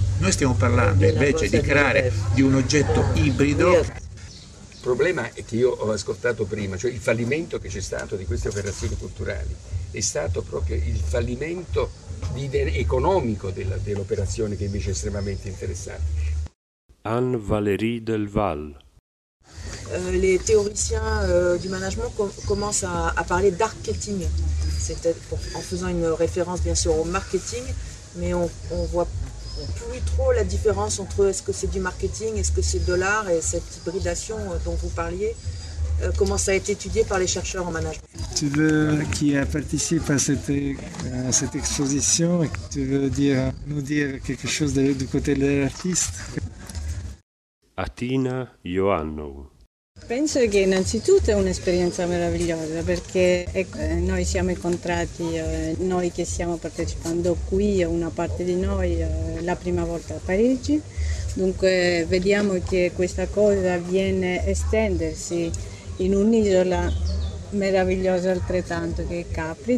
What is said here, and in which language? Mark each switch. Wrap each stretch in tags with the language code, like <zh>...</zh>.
<it>Noi stiamo parlando invece di creare di un oggetto ibrido. Il problema è che io ho ascoltato prima, cioè il fallimento che c'è stato di queste operazioni culturali è stato proprio il fallimento economico dell'operazione, che invece è estremamente interessante. Anne-Valérie Delval.</it> <fr>Les théoriciens du management commencent à parler d'arketing, en faisant une référence bien sûr au marketing, mais on voit plus trop la différence entre est-ce que c'est du marketing, est-ce que c'est de l'art, et cette hybridation dont vous parliez commence à être étudiée par les chercheurs en management. Tu veux, qui a participé à cette exposition, tu veux nous dire quelque chose du côté de l'artiste? Atina Ioannou.</fr> <it>Penso che innanzitutto è un'esperienza meravigliosa, perché noi siamo incontrati, noi che stiamo partecipando qui, una parte di noi, la prima volta a Parigi. Dunque vediamo che questa cosa viene estendersi in un'isola meravigliosa altrettanto, che è Capri.</it>